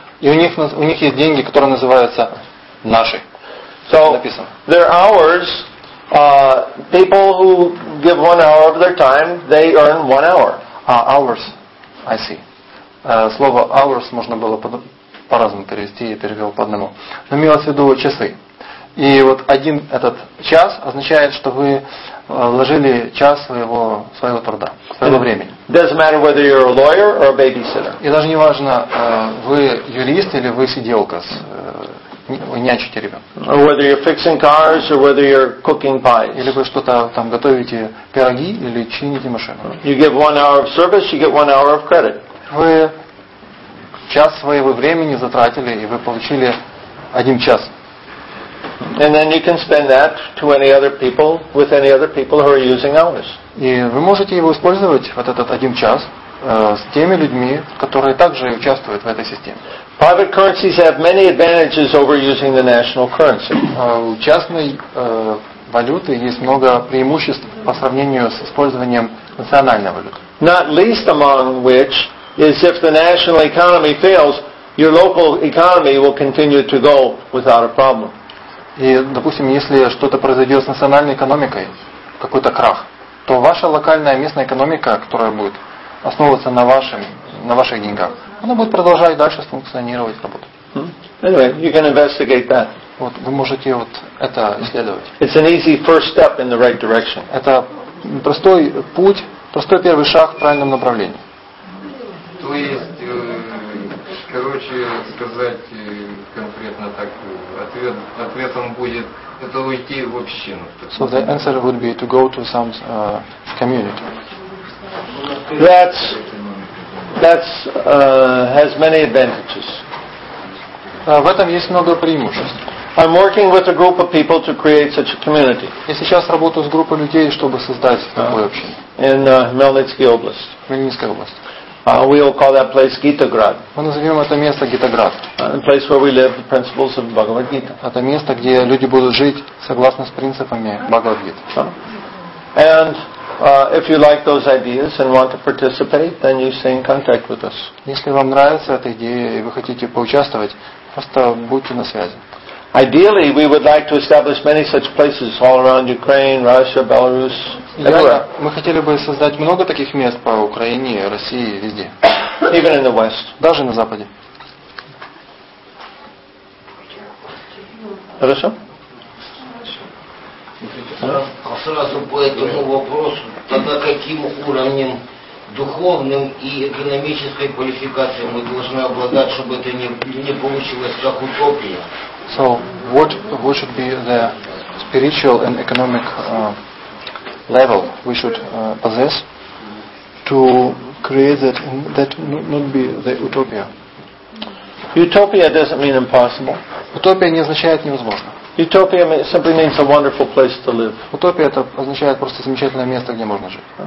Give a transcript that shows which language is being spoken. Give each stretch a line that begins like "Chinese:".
Russian: И у них есть деньги, которые называются наши.
English: So they're ours. People who give 1 hour of their time, they earn 1 hour. Hours, I see.
Russian: Слово hours можно было по-разному перевести, я перевел по одному. Но имелось в виду часы. И вот один этот час означает, что вы вложили час своего труда, своего времени.
English: Doesn't matter whether you're a lawyer or a babysitter.
Russian: И даже не важно, вы юрист или вы сиделка, вы нянчите ребенка.
English: Or whether you're fixing cars or whether you're cooking pies.
Russian: Или вы что-то там готовите пироги или чините машину.
English: You give 1 hour of service, you get 1 hour of credit.
Russian: Вы час своего времени затратили и вы получили один час.
English: And then you can spend that to any other people with any other people who are using ours.
Russian: И вы можете его использовать вот этот один час с теми людьми, которые также участвуют в этой системе.
English: Private currencies have many advantages over using the national currency.
Russian: У частной валюты есть много преимуществ по сравнению с использованием национальной валюты.
English: Not least among which is if the national economy fails, your local economy will continue to go without a problem.
Russian: И, допустим, если что-то произойдет с национальной экономикой, какой-то крах, то ваша локальная местная экономика, которая будет основываться на ваших деньгах, она будет продолжать дальше функционировать, работать.
English: Anyway, you can investigate that.
Russian: Вот, вы можете вот это исследовать.
English: It's an easy first step in the right direction.
Russian: Это простой путь, простой первый шаг в правильном направлении. То есть, короче сказать конкретно так, ответом будет это уйти в общину.
English: So the answer would be to go to some community. That has many advantages.
Russian: В этом есть много преимуществ.
English: I'm working with a group of people to create such a community.
Russian: Я сейчас работаю с группой людей, чтобы создать такую общину.
English: In Melnitsky Oblast.
Russian: Хмельницкая область.
English: We will call that place Gitograd.
Russian: Мы назовем это место Гитоград.
English: The place where we live, the principles of Bhagavad Gita.
Russian: Это место, где люди будут жить согласно с принципами Бхагавад Гиты.
English: And if you like those ideas and want to participate, then you stay in contact with us.
Russian: Если вам нравится эта идея и вы хотите поучаствовать, просто будьте на связи.
English: Ideally, we would like to establish many such places all around Ukraine, Russia, Belarus, everywhere.
Russian: Мы хотели бы создать много таких мест по Украине, России, везде.
English: Even in the West.
Russian: Даже на Западе. Хорошо? А сразу по этому вопросу, тогда каким уровнем духовным и экономической квалификацией мы должны обладать, чтобы это не получилось как утопия?
English: So, what should be the spiritual and economic level we should possess to create that, that not be the utopia? Utopia doesn't mean impossible.
Russian: Утопия не означает невозможно.
English: Utopia simply means a wonderful place to live.
Russian: Утопия это означает просто замечательное место, где можно жить.